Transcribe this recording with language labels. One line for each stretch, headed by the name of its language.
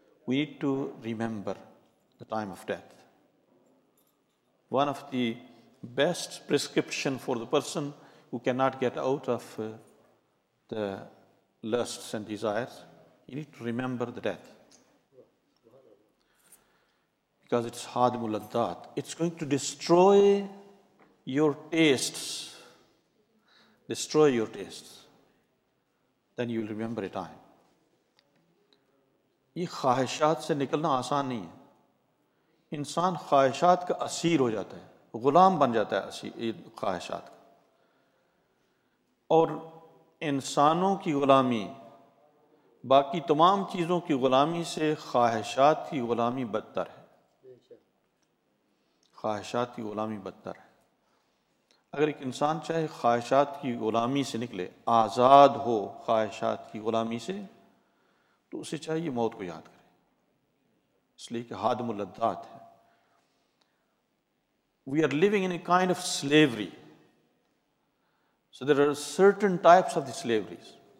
English: We need to remember the time of death. One of the best prescription for the person who cannot get out of the lusts and desires, you need to remember the death. Because it's hadimul adat. It's going to destroy your tastes. Destroy your tastes, then you will remember a time.
Urdu: یہ خواہشات سے نکلنا آسان نہیں ہے. انسان خواہشات کا اسیر ہو جاتا ہے، غلام بن جاتا ہے خواہشات کا. اور انسانوں کی غلامی، باقی تمام چیزوں کی غلامی سے خواہشات کی غلامی بدتر ہے. خواہشات کی غلامی بدتر ہے. اگر ایک انسان چاہے خواہشات کی غلامی سے نکلے، آزاد ہو خواہشات کی غلامی سے، تو اسے چاہیے موت کو یاد کرے، اس لیے کہ حادم اللذات ہے.
English: We are living in a kind of slavery, so there are certain types of the slaveries.